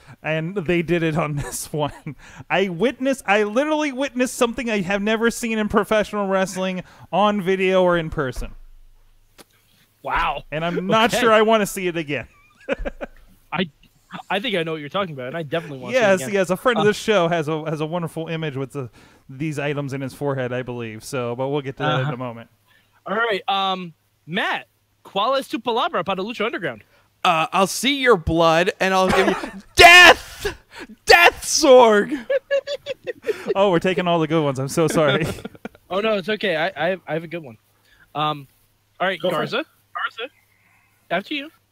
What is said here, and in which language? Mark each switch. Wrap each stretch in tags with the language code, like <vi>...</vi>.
<en>And they did it on this one. I literally witnessed something I have never seen in professional wrestling on video or in person. Wow. And I'm not sure I want to see it again. I think I know what you're talking about, and I definitely want to see it again. Yes, a friend of the show has a wonderful image with these items in his forehead, I believe. So, but we'll get to that in a moment. All right.</en> <es>Matt, ¿cuál es tu palabra para Lucha Underground?</es> <en>I'll see your blood, and I'll give you death! Death, Sorg! Oh, we're taking all the good ones. I'm so sorry. Oh, no, it's okay. I have a good one. All right, Go Garza. All Garza. After you.</en>